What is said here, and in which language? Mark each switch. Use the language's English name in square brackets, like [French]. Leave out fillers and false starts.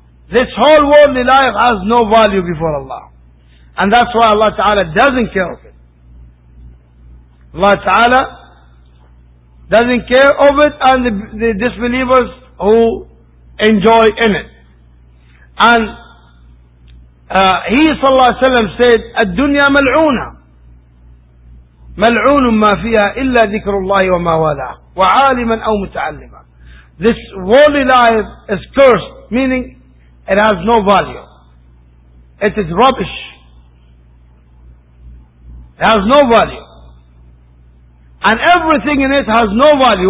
[English] This whole worldly life has no value before Allah. And that's why Allah Ta'ala doesn't care of it. Allah Ta'ala doesn't care of it and the disbelievers who enjoy in it. And he sallallahu alayhi wa sallam said, [Arabic] الدنيا ملعونة ملعون ما فيها إلا ذكر الله وما والاه وعالما أو متعلما. [English] This worldly life is cursed, meaning it has no value. It is rubbish. It has no value. And everything in it has no value.